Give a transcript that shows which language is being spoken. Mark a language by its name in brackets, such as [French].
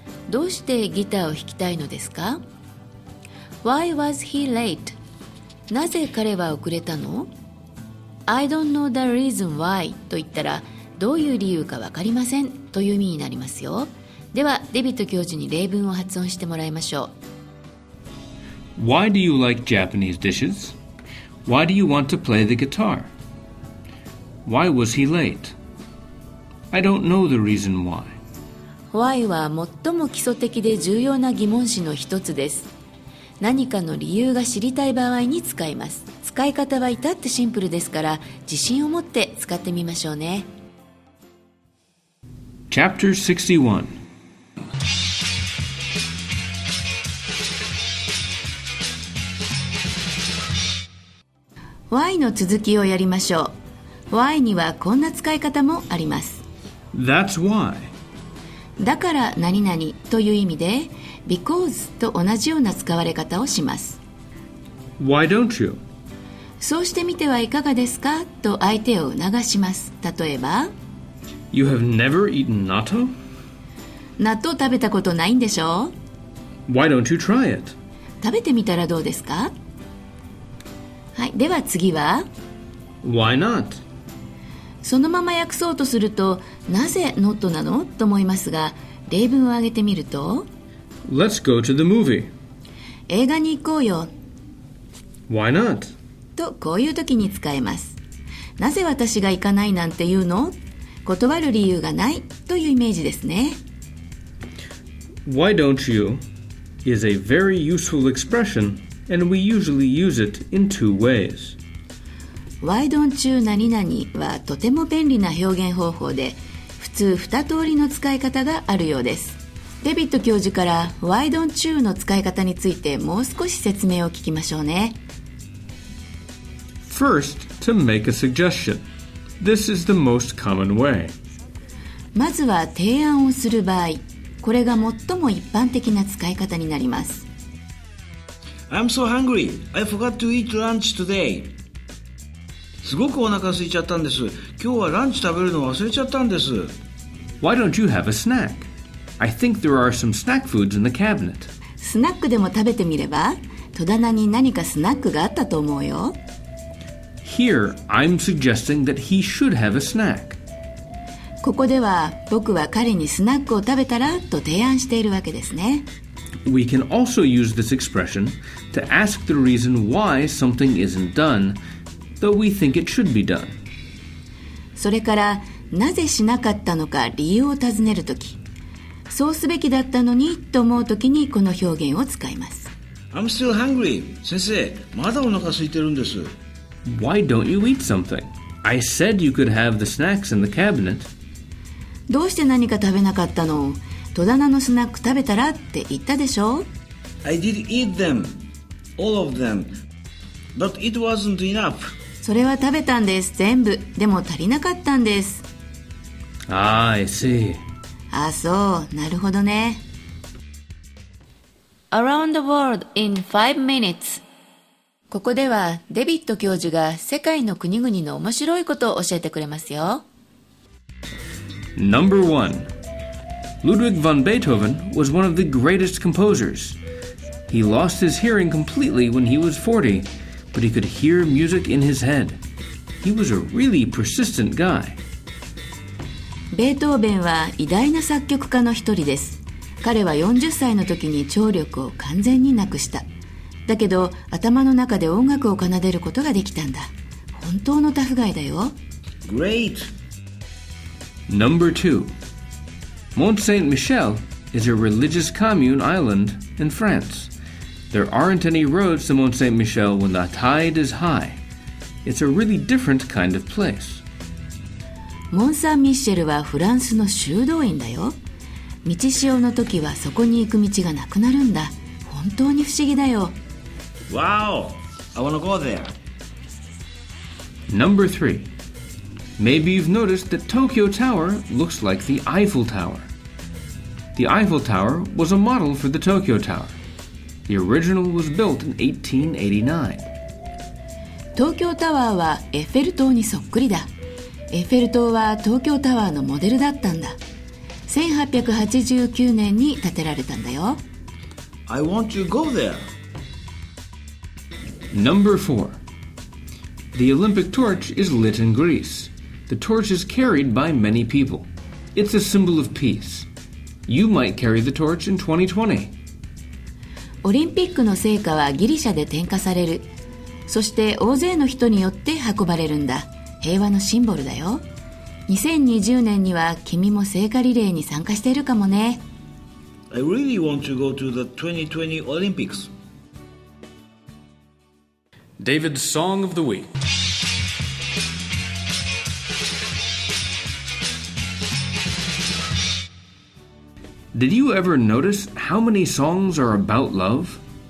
[Japanese] どうしてギターを弾きたいのですか [English] Why was he late? [Japanese] なぜ彼は遅れたの? [English] I don't know the reason why [Japanese] と言ったらどういう理由か分かりませんという意味になりますよ。ではデビット教授に例文を発音してもらいましょう。 [English] Why do you like Japanese dishes? Why do you want to play the guitar? Why was he late? I don't know the reason why. [Japanese] Why は最も基礎的で重要な疑問詞の一つです。何かの理由が知りたい場合に使います。使い方は至ってシンプルですから、自信を持って使ってみましょうね。 [English] Chapter [Japanese] 61 Y の続きをやりましょう。Y にはこんな使い方もあります。 [English] That's why. [Japanese] だから何々という意味で、Because と同じような使われ方をします。 [English] Why don't you? [Japanese] そうしてみてはいかがですかと相手を促します。例えば、 [English] You have never eaten natto? [Japanese] 納豆食べたことないんでしょ? [English] Why don't you try it? [Japanese] 食べてみたらどうですか? はい、では次は、 [English] Why not? [Japanese] そのまま訳そうとすると、なぜ not なの? と思いますが、例文を挙げてみると、 [English] Let's go to the movie. [Japanese] 映画に行こうよ。 [English] Why not? [Japanese] とこういう時に使えます。なぜ私が行かないなんて言うの? 断る理由がないというイメージですね。 [English] Why don't you? is a very useful expression and we usually use it in two ways. Why don't you [Japanese] 何々はとても便利な表現方法で普通二通りの使い方があるようです。デビット教授から [English] Why don't you [Japanese] の使い方についてもう少し説明を聞きましょうね。 [English] First, to make a suggestion. This is the most common way. [Japanese] まずは提案をする場合。これが最も一般的な使い方になります。 [English] I'm so hungry. I forgot to eat lunch today. [Japanese] すごくお腹空いちゃったんです。今日はランチ食べるの忘れちゃったんです。 [English] Why don't you have a snack? I think there are some snack foods in the cabinet. [Japanese] スナックでも食べてみれば、戸棚に何かスナックがあったと思うよ。 [English] Here, I'm suggesting that he should have a snack. [Japanese] ここでは僕は彼にスナックを食べたらと提案しているわけですね。 [English] We can also use this expression to ask the reason why something isn't done, though we think it should be done. [Japanese] それから、なぜしなかったのか理由を尋ねるとき、そうすべきだったのにと思うときにこの表現を使います。 [English] I'm still hungry. [Japanese] 先生、まだお腹空いてるんです。 [English] Why don't you eat something? I said you could have the snacks in the cabinet. [Japanese] どうして何か食べなかったの?戸棚のスナック食べたらって言ったでしょ? [English] I did eat them. All of them. But it wasn't enough. [Japanese] それは食べたんです。全部。でも足りなかったんです。 [English] I see. [Japanese] ああ、そう。なるほどね。 [English] Around the world in 5 minutes. ここではデビット教授が世界の国々の面白いことを教えてくれますよ。 Number one. Ludwig von Beethoven was one of the greatest composers. He lost his hearing completely when he was 40, but he could hear music in his head. He was a really persistent guy. [Japanese] ベートーベンは偉大な作曲家の一人です。彼は40歳の時に聴力を完全になくした。だけど頭の中で音楽を奏でることができたんだ。本当のタフガイだよ。 [English] Great! Number 2. Mont Saint-Michel is a religious commune island in France. There aren't any roads to Mont Saint-Michel when the tide is high. It's a really different kind of place. [Japanese] モンサンミシェルはフランスの修道院だよ。満ち潮の時はそこに行く道がなくなるんだ。本当に不思議だよ。 [English] Wow! I want to go there. Number 3. Maybe you've noticed that Tokyo Tower looks like the Eiffel Tower. The Eiffel Tower was a model for the Tokyo Tower. The original was built in 1889. [Japanese] Tokyo Tower はエッフェル塔にそっくりだ。エッフェル塔は東京タワーのモデルだったんだ。 1889年に建てられたんだよ。 [English] I want to go there. Number 4. The Olympic torch is lit in Greece. The torch is carried by many people. It's a symbol of peace. You might carry the torch in 2020. [Japanese] オリンピックの聖火はギリシャで点火される。そして大勢の人によって運ばれるんだ。平和のシンボルだよ。2020年には君も聖火リレーに参加しているかもね。 [English] I really want to go to the 2020 Olympics. David's Song of the Week. Did you ever notice how many songs are about love?